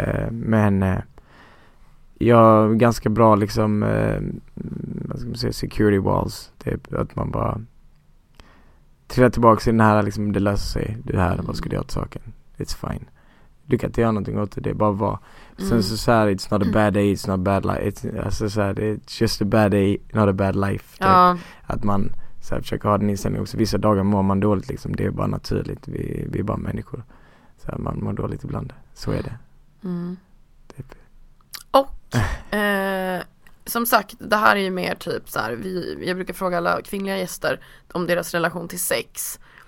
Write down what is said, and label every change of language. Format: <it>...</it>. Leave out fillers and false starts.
<sv>Men jag är ganska bra liksom vad ska man säga,</sv> <en>security walls,</en> <sv>typ att man bara trillar tillbaka i den här liksom, det löser sig, det här, vad ska du göra åt saken,</sv> <en>it's fine,</en> <sv>du kan inte göra någonting åt det, det är bara vad. Sen så här,</sv> <en>it's not a bad day, it's not a bad life, it's,</en> <sv>alltså, så här,</sv> <en>it's just a bad day, not a bad life,</en> <sv>typ. Ja. Att man så här, försöker ha den inställningen också, vissa dagar mår man dåligt liksom, det är bara naturligt, vi är bara människor, så här, man mår dåligt ibland, så är det. Typ. Och som sagt, det här är ju mer typ så här, jag brukar fråga alla kvinnliga gäster om deras relation till sex.</sv>